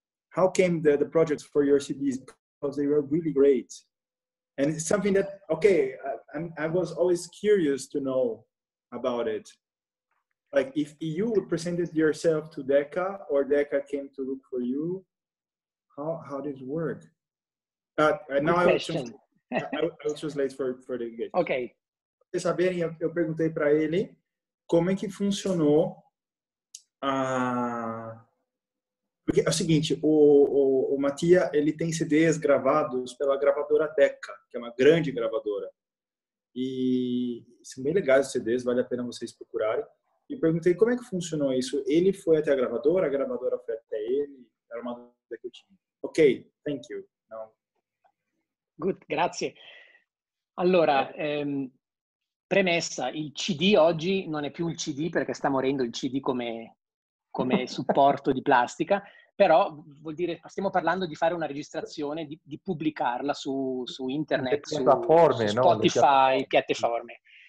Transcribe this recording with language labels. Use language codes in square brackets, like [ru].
[en] How came the projects for your CDs? Because they were really great, and it's something that I was always curious to know about it. Like if you presented yourself to Decca or Decca came to look for you, how did it work? Okay. [pt] Vocês saberem, eu perguntei para ele como é que funcionou a... Porque é o seguinte, o Matia, ele tem CDs gravados pela gravadora Decca, que é uma grande gravadora. E são bem legais os CDs, vale a pena vocês procurarem. E perguntei como é que funcionou isso. Ele foi até a gravadora foi até ele, era uma dúvida que eu tinha. [en] Ok, thank you. Now, good, [it] grazie. Allora, premessa, il CD oggi non è più il CD perché sta morendo il CD come supporto di plastica, però vuol dire, stiamo parlando di fare una registrazione, di pubblicarla su internet, su Spotify, piattaforme.